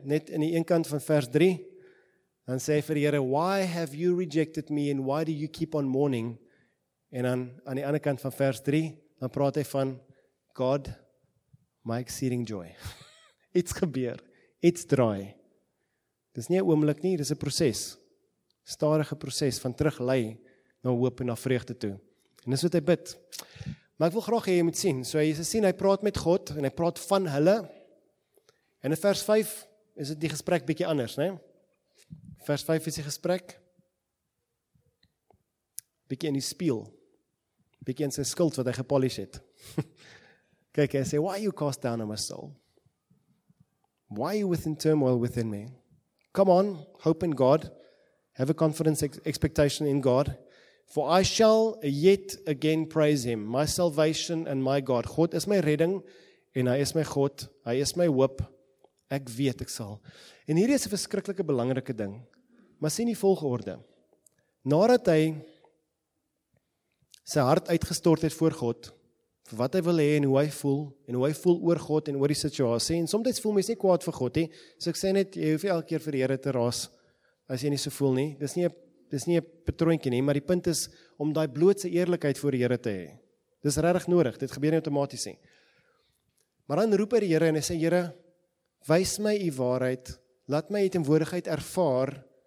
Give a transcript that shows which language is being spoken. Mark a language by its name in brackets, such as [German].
[Afrikaans] Net in die een kant van vers 3, dan sê hy vir die Here, [English] why have you rejected me and why do you keep on mourning? [Afrikaans] En dan aan die ander kant van vers 3, dan praat hy van God, [English] my exceeding joy. [Afrikaans] It's gebeur. It's draai. Dis nie 'n oomblik nie, dis 'n proses. Stadige proses van teruglei na hoop en na vreugde toe. En dis wat hy bid. Maar ek wil graag hê jy moet sien. So jy sien, hy praat met God en hy praat van hulle. En in vers 5 is dit die gesprek bietjie anders, né? Vers 5 is die gesprek. Bietjie in die spieël. Bietjie in sy skuld wat hy gepolish het. Kyk, hy sê, [English] why you cast down on my soul? Why are you within turmoil within me? Come on, hope in God. Have a confidence expectation in God. For I shall yet again praise him, my salvation and my God. [Afrikaans] God is my redding en hy is my God. Hy is my hoop. Ek weet ek sal. En hier is 'n verskriklike belangrike ding. Maar sien die volgorde. Nadat hy sy hart uitgestort het voor God, vir wat hy wil hê en hoe hy voel, en hoe hy voel oor God en oor die situasie. En soms voel mense nie kwaad vir God nie. So ek sê net, jy hoef nie elke keer vir die Here te raas as jy nie so voel nie. Dis nie 'n patroontjie nie, maar die punt is om daai blootse eerlikheid voor die Here te hê. Dis regtig nodig. Dit gebeur nie outomaties nie. Maar dan roep hy die Here en hy sê, Here, wys my u waarheid. Laat my u teenwoordigheid ervaar.